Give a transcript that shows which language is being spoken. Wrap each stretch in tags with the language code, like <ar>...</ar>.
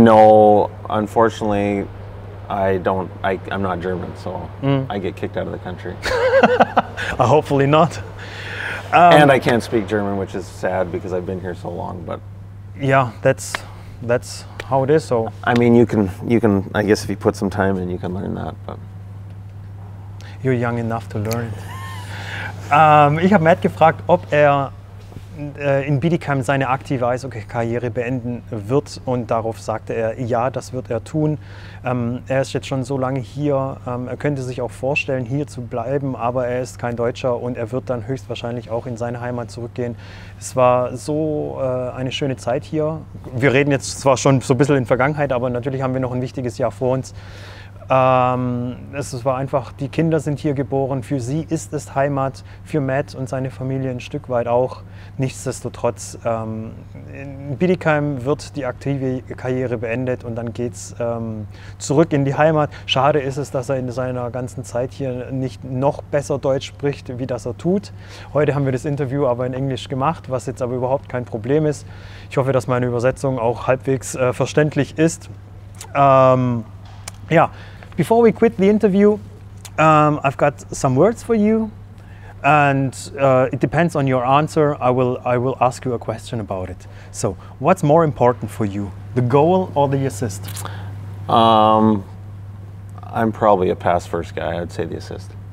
<en>No, unfortunately, I'm not German, so I get kicked out of the country. Hopefully not. And I can't speak German, which is sad because I've been here so long. But yeah, that's how it is. So I mean, you can. I guess if you put some time in, you can learn that. But you're young enough to learn it.</en> <de>Ich habe Matt gefragt, ob er in Bietigheim seine aktive Eishockey-Karriere beenden wird, und darauf sagte er, ja, das wird er tun. Er ist jetzt schon so lange hier, er könnte sich auch vorstellen, hier zu bleiben, aber er ist kein Deutscher und er wird dann höchstwahrscheinlich auch in seine Heimat zurückgehen. Es war so eine schöne Zeit hier. Wir reden jetzt zwar schon so ein bisschen in Vergangenheit, aber natürlich haben wir noch ein wichtiges Jahr vor uns. Es war einfach, die Kinder sind hier geboren, für sie ist es Heimat, für Matt und seine Familie ein Stück weit auch. Nichtsdestotrotz, in Bietigheim wird die aktive Karriere beendet und dann geht's zurück in die Heimat. Schade ist es, dass er in seiner ganzen Zeit hier nicht noch besser Deutsch spricht, wie das er tut. Heute haben wir das Interview aber in Englisch gemacht, was jetzt aber überhaupt kein Problem ist. Ich hoffe, dass meine Übersetzung auch halbwegs verständlich ist.</de> <en>Yeah, before we quit the interview, I've got some words for you, and it depends on your answer. I will ask you a question about it. So, what's more important for you, the goal or the assist? I'm probably a pass-first guy. I'd say the assist.</en>